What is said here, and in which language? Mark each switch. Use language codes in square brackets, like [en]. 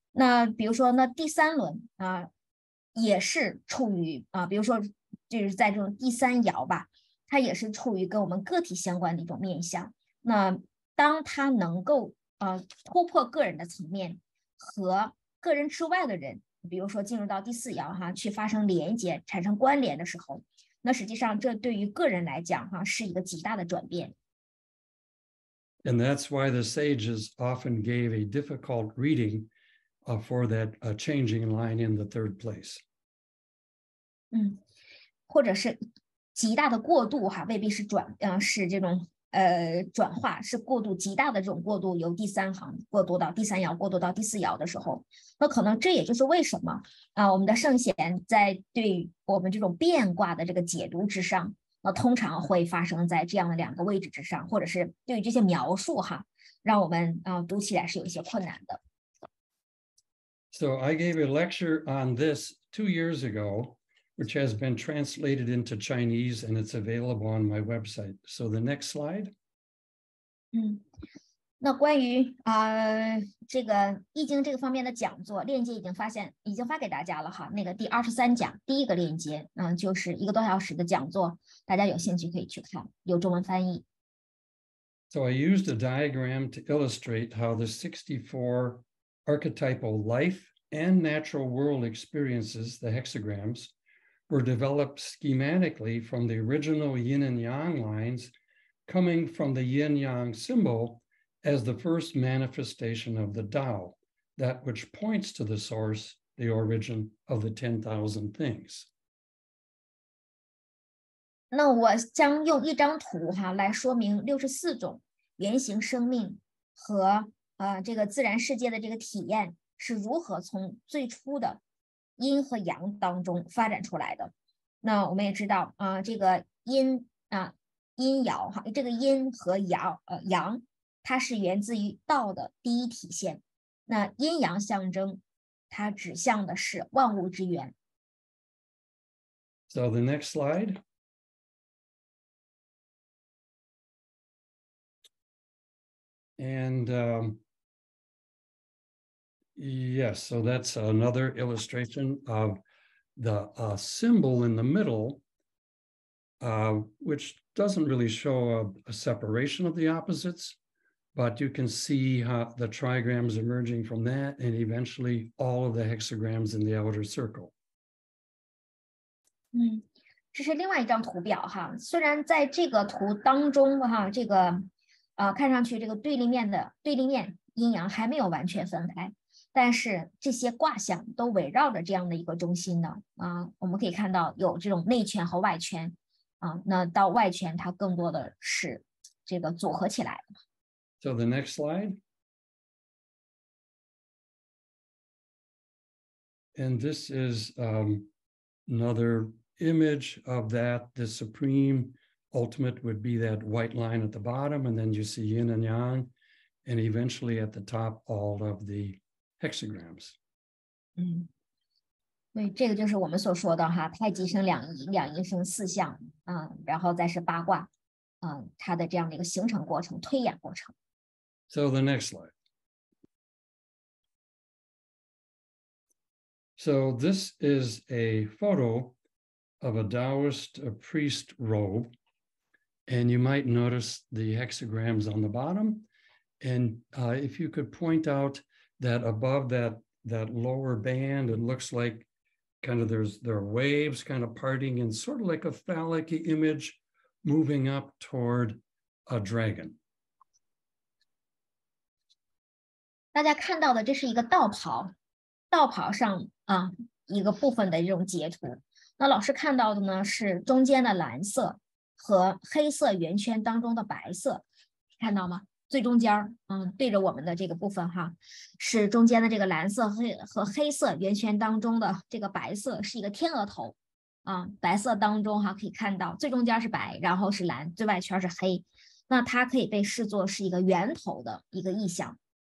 [zh] 那比如说那第三轮啊，也是处于啊，比如说就是在这种第三爻吧，它也是处于跟我们个体相关的一种面向。那当它能够突破个人的层面和个人之外的人，比如说进入到第四爻哈，去发生连接产生关联的时候，那实际上这对于个人来讲哈，是一个极大的转变。 [en] And that's why the sages often gave a difficult reading for that changing line in the third place. [zh] 或者是极大的过渡哈，未必是转是这种转化，是过渡极大的这种过渡，由第三行过渡到第三爻，过渡到第四爻的时候，那可能这也就是为什么我们的圣贤在对我们这种变卦的这个解读之上，那通常会发生在这样的两个位置之上，或者是对于这些描述哈，让我们读起来是有一些困难的。 [en] So I gave a lecture on this 2 years ago. Which has been translated into Chinese and it's available on my website. So the next slide. [zh] 那关于这个易经这个方面的讲座链接已经发给大家了哈，那个第23讲第一个链接就是一个多小时的讲座，大家有兴趣可以去看，有中文翻译。 [en] So I used a diagram to illustrate how the 64 archetypal life and natural world experiences, the hexagrams,were developed schematically from the original yin and yang lines coming from the yin yang symbol as the first manifestation of the Tao, that which points to the source, the origin of the 10,000 things. [zh] 那我将用一张图哈来说明64种原型生命和这个自然世界的这个体验是如何从最初的阴和阳当中发展出来的。那我们也知道这个阴阴爻这个阴和爻阳它是源自于道的第一体现。那阴阳象征它指向的是万物之源。 [en] So the next slide. And,Yes, so that's another illustration of the symbol in the middle, which doesn't really show a separation of the opposites, but you can see how the trigrams emerging from that and eventually all of the hexagrams in the outer circle. [zh] 这是另外一张图表哈，虽然在这个图当中哈，这个看上去这个对立面阴阳还没有完全分开。但是这些卦象都围绕着这样的一个中心的我们可以看到有这种内圈和外圈那到外圈它更多的是这个组合起来的。 [en] So the next slide. And this is another image of that. The supreme ultimate would be that white line at the bottom, and then you see yin and yang, and eventually at the top, all of the. Hexagrams. [zh] 对，这个就是我们所说的哈，太极生两仪，两仪生四象，然后再是八卦，它的这样的一个形成过程，推演过程。 [en] So the next slide. So this is a photo of a Taoist priest robe, and you might notice the hexagrams on the bottom, and if you could point out. That above that lower band, it looks like kind of there are waves kind of parting and sort of like a phallic image moving up toward a dragon. [zh] 大家看到的这是一个道袍，道袍上一个部分的这种截图。那老师看到的呢是中间的蓝色和黑色圆圈当中的白色，看到吗？最中间，对着我们的这个部分哈，是中间的这个蓝色和黑色圆圈当中的这个白色是一个天鹅头，白色当中哈可以看到最中间是白，然后是蓝，最外圈是黑，那它可以被视作是一个圆头的一个意象。